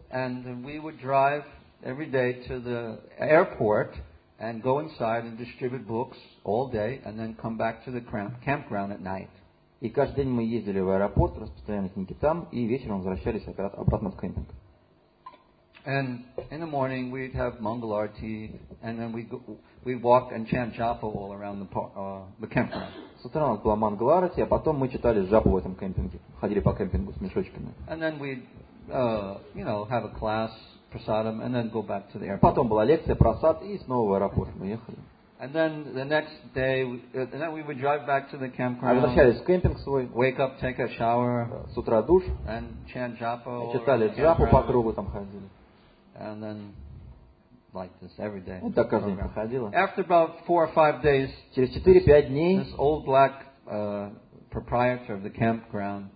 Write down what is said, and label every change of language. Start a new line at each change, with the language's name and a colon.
English: And we would drive every day to the airport and go inside and distribute books all day and then come back to the campground at night.
Russian: И каждый день мы ездили в аэропорт, распространяли книги там, и вечером возвращались обратно в кемпинг.
English: And in the morning we'd have Mangalore tea, and then we'd walk and chant Japa all around the campground.
Russian: С утра у нас была Мангалара тия, а потом мы читали Джапу в этом кемпинге, ходили по кемпингу с мешочками.
English: And then we'd, you know, have a class, prasadam, and then go back to the airport.
Russian: Потом была лекция, прасад, и снова в аэропорт мы ехали.
English: And then the next day, and then we would drive back to the campground.
Russian: Возвращались в кемпинг свой.
English: Wake up, take a shower.
Russian: С утра душ.
English: And chant Japa.
Russian: И читали Джапу, по кругу там ходили.
English: And then, like this, every day.
Russian: Вот так каждый день проходило.
English: After about 4 or 5 days,
Russian: через 4-5 дней,
English: this old black proprietor of the campground,